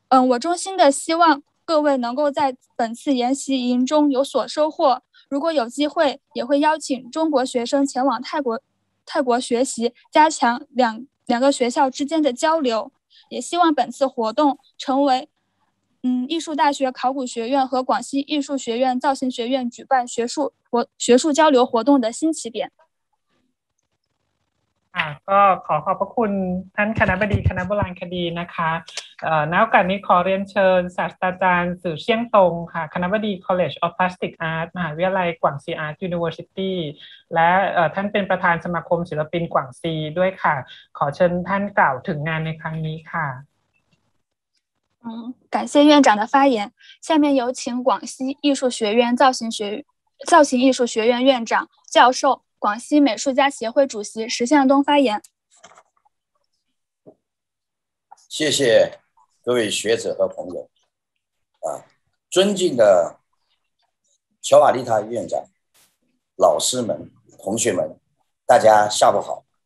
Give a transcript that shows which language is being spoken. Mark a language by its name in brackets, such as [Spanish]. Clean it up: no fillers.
[Chinese] 我衷心的希望各位能够在本次研习营中有所收获，如果有机会也会邀请中国学生前往泰国学习，加强两个学校之间的交流。也希望本次活动成为艺术大学考古学院和广西艺术学院造型学院举办学术交流活动的新起点。 [Thai] ก็ขอขอบพระคุณท่านคณบดีคณะโบราณคดีนะคะณโอกาสนี้ขอเรียนเชิญศาสตราจารย์สื่อเชียงตงค่ะคณบดี College of Plastic Art มหาวิทยาลัยกวางซีอาร์ต University และท่านเป็นประธานสมาคมศิลปินกวางซีด้วยค่ะขอเชิญท่านกล่าวถึงงานในครั้งนี้ค่ะ [Chinese] 感谢院长的发言，下面有请广西艺术学院造型艺术学院院长教授广西美术家协会主席石向东发言。谢谢各位学者和朋友，尊敬的乔瓦丽塔院长、老师们、同学们，大家下午好。